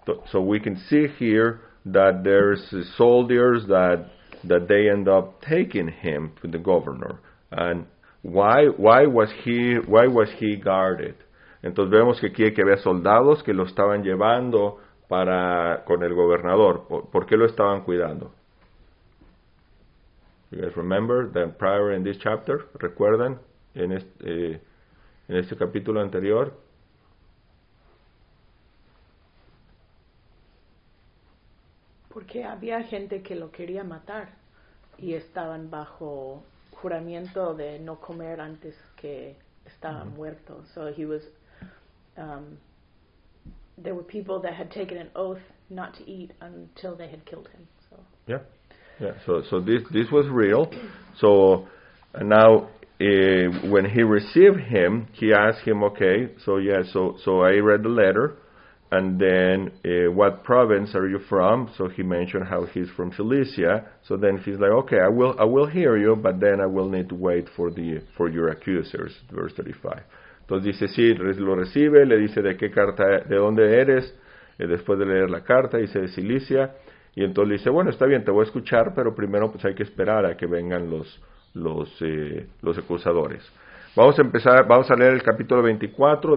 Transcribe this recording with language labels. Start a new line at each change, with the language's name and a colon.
English: So we can see here that there's soldiers that they end up taking him to the governor. And why was he guarded?
Spanish: Entonces vemos que aquí había soldados que lo estaban llevando para con el gobernador. ¿Por qué lo estaban cuidando?
English: You guys remember that prior in this chapter?
Spanish: ¿Recuerdan en este capítulo anterior? Porque había gente que lo quería matar y estaban bajo juramento de no comer antes que estaban muertos.
English: So he was there were people that had taken an oath not to eat until they had killed him. So So this was real. So now when he received him, he asked him, okay, so I read the letter, and then what province are you from? So he mentioned how he's from Cilicia. So then he's like, okay, I will hear you, but then I will need to wait for your accusers. Verse 35.
Spanish: Entonces dice, sí, lo recibe, le dice de qué carta, de dónde eres, después de leer la carta, dice de Cilicia, y entonces le dice, bueno, está bien, te voy a escuchar, pero primero pues hay que esperar a que vengan los, los acusadores. Vamos a empezar, vamos a leer el capítulo 24.